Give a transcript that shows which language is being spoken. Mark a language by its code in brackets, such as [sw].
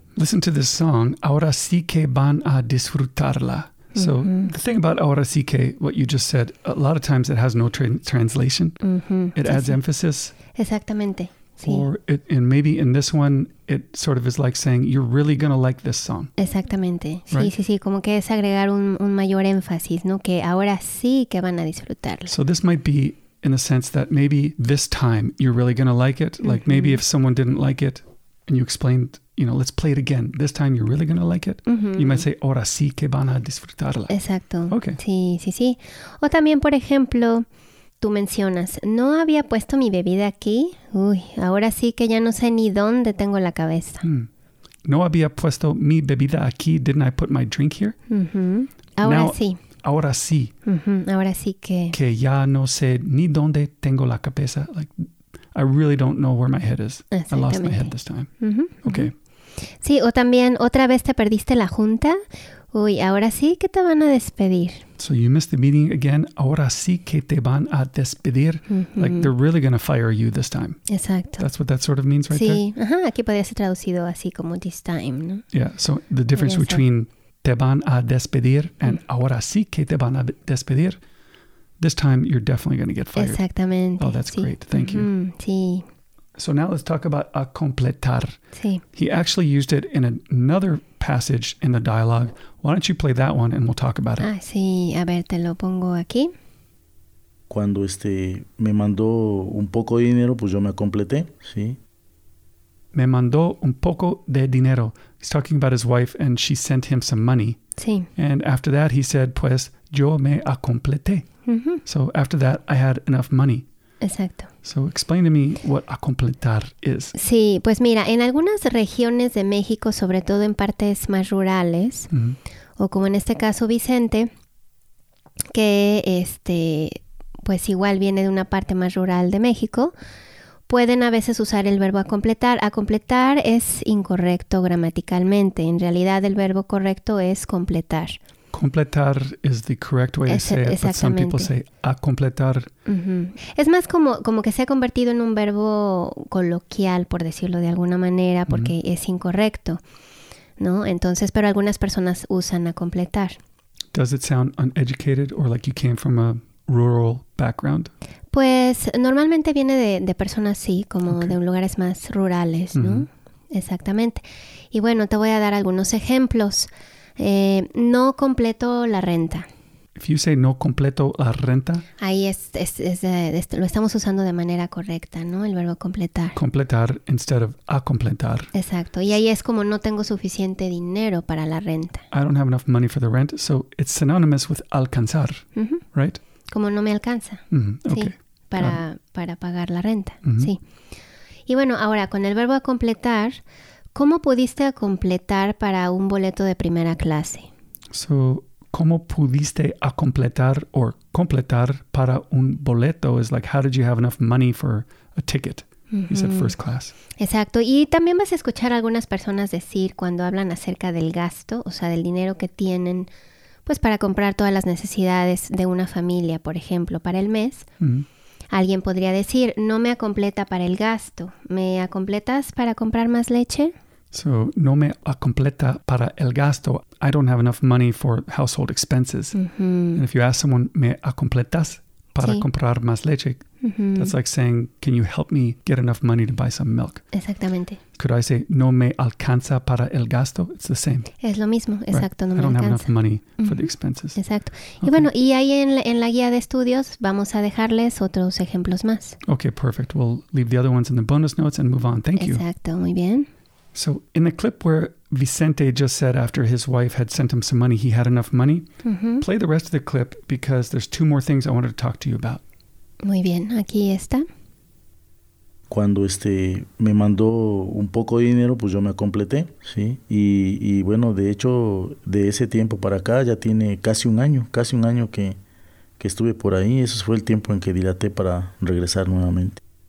[en] Listen to this song, [es] ahora sí que van a disfrutarla. [en] So mm-hmm. the thing about ahora sí que, what you just said, a lot of times it has no translation. Mm-hmm. It adds emphasis. [es] Exactamente. Sí. [en] Or it, and maybe in this one, it sort of is like saying, you're really going to like this song. [es] Exactamente. Right? Sí, sí, sí. Como que es agregar un mayor énfasis, ¿no? Que ahora sí que van a disfrutarlo. [en] So this might be in the sense that maybe this time you're really going to like it. Mm-hmm. Like maybe if someone didn't like it and you explained, you know, let's play it again. This time you're really going to like it. Mm-hmm. You might say, [es] ahora sí que van a disfrutarla. Exacto. [en] Okay. [es] Sí, sí, sí. O también, por ejemplo, tú mencionas, no había puesto mi bebida aquí. Uy, ahora sí que ya no sé ni dónde tengo la cabeza. Hmm. No había puesto mi bebida aquí. [en] Didn't I put my drink here? [es] Mm-hmm. Ahora [en] now, [es] sí. Ahora sí. Mm-hmm. Ahora sí que. Que ya no sé ni dónde tengo la cabeza. [en] Like, I really don't know where my head is. I lost my head this time. Mm-hmm. Okay. [es] Sí, o también, otra vez te perdiste la junta. Uy, ahora sí que te van a despedir. [en] So you missed the meeting again. [es] Ahora sí que te van a despedir. Mm-hmm. [en] Like they're really going to fire you this time. [es] Exacto. [en] That's what that sort of means, right? [es] Sí. [en] There? [es] Sí, ajá. Aquí podría ser traducido así como [en] this time, [es] ¿no? [en] Yeah, so the difference between [es] te van a despedir [en] and [es] ahora sí que te van a despedir. [en] This time, you're definitely going to get fired. [es] Exactamente. [en] Oh, that's [es] sí. [en] great. Thank you. [es] Mm-hmm. Sí. [en] So now let's talk about a completar. [es] Sí. [en] He actually used it in another passage in the dialogue. Why don't you play that one and we'll talk about it. [es] Ah, sí. A ver, te lo pongo aquí. Cuando me mandó un poco de dinero, pues yo me completé. Sí. Me mandó un poco de dinero. [en] He's talking about his wife and she sent him some money. [es] Sí. [en] And after that, he said, [es] pues, yo me completé. Mm-hmm. [en] So after that, I had enough money. [es] Exacto. [en] So explain to me what a completar is. [es] Sí, pues mira, en algunas regiones de México, sobre todo en partes más rurales, mm-hmm. o como en este caso Vicente, que pues igual viene de una parte más rural de México, pueden a veces usar el verbo a completar. A completar es incorrecto gramaticalmente. En realidad, el verbo correcto es completar. [en] Completar is the correct way to say it, but some people say a completar. Uh-huh. [es] Es más como que se ha convertido en un verbo coloquial, por decirlo de alguna manera, porque uh-huh. es incorrecto, ¿no? Entonces, pero algunas personas usan a completar. [en] Does it sound uneducated or like you came from a rural background? [es] Pues normalmente viene de personas, sí, como okay. de lugares más rurales, ¿no? Uh-huh. Exactamente. Y bueno, te voy a dar algunos ejemplos. No completo la renta. [en] If you say [es] no completo la renta. Ahí es lo estamos usando de manera correcta, ¿no? El verbo completar. [en] Completar instead of a completar. [es] Exacto. Y ahí es como no tengo suficiente dinero para la renta. [en] I don't have enough money for the rent. So it's synonymous with alcanzar, mm-hmm. right? [es] como no me alcanza, sí, para pagar la renta, sí. Y bueno, ahora con el verbo a completar, ¿cómo pudiste a completar para un boleto de primera clase? So, ¿cómo pudiste a completar o completar para un boleto? [en] Is like, how did you have enough money for a ticket? You said first class. [es] Exacto. Y también vas a escuchar a algunas personas decir cuando hablan acerca del gasto, o sea, del dinero que tienen, pues para comprar todas las necesidades de una familia, por ejemplo, para el mes. Alguien podría decir, no me acompleta para el gasto. ¿Me acompletas para comprar más leche? So, no me acompleta para el gasto. [en] I don't have enough money for household expenses. And if you ask someone, [es] ¿me acompletas para comprar más leche? [en] That's like saying, can you help me get enough money to buy some milk? [es] Exactamente. [en] Could I say, [es] no me alcanza para el gasto? [en] It's the same. [es] Es lo mismo, exacto, right. [en] I don't have enough money for the expenses. [es] Exacto. Okay. Y bueno, y ahí en la guía de estudios vamos a dejarles otros ejemplos más. [en] Okay, perfect. We'll leave the other ones in the bonus notes and move on. Thank you. [es] Exacto, muy bien. [en] So in the clip where Vicente just said after his wife had sent him some money, he had enough money. Play the rest of the clip because there's two more things I wanted to talk to you about. [es] Muy bien, aquí está. Cuando me mandó un poco de dinero, pues yo me completé, ¿sí? Y bueno, de hecho, de ese tiempo para acá ya tiene casi un año que estuve por ahí. Eso fue el tiempo en que dilaté para regresar nuevamente.